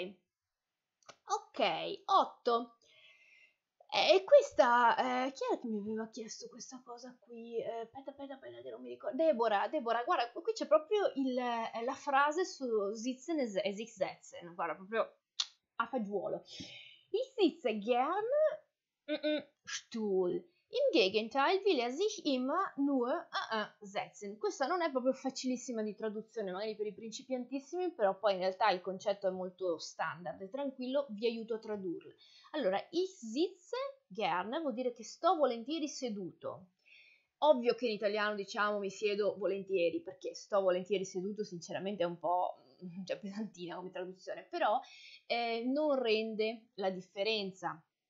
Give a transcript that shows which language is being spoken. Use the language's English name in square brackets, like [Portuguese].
[Italian] Ok, 8. E questa, chi era che mi aveva chiesto questa cosa qui? Aspetta, non mi ricordo. Deborah, guarda, qui c'è proprio la frase su sitzen e sich setzen. Guarda, proprio a fagiolo. [German] Ich sitze gern Stuhl. Im Gegenteil will er sich immer nur setzen. [Italian] Questa non è proprio facilissima di traduzione, magari per i principiantissimi, però poi in realtà il concetto è molto standard e tranquillo, vi aiuto a tradurlo. Allora, [German] ich sitze gern [Italian] vuol dire che sto volentieri seduto. Ovvio che in italiano diciamo mi siedo volentieri, perché sto volentieri seduto sinceramente è un po' già pesantina come traduzione, però non rende la differenza.